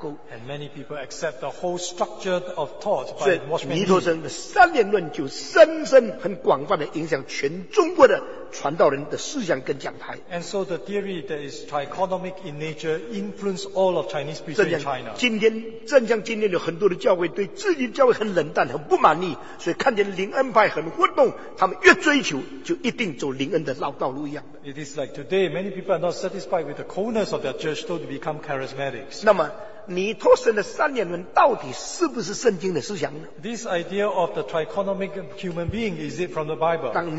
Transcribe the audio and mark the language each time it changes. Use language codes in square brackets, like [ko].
[en] And many people accept the whole structure of thought by Watchman Nee. [zh] 尼托生的三元论就深深很广泛地影响全中国的传道人的思想跟讲台。 [en] And so the theory that is trichotomic in nature influenced all of Chinese people in China. [zh] 正像今天有很多的教会对自己教会很冷淡很不满意，所以看见灵恩派很活动。他们越追求就一定走灵恩的绕道路一样。It [en] is like today, many people are not satisfied with the coldness of their church, so they become charismatics. [zh] 那么尼托生的三元论到底是不是圣经的思想呢？ [en] This idea of the trichotomic human being, is it from the Bible?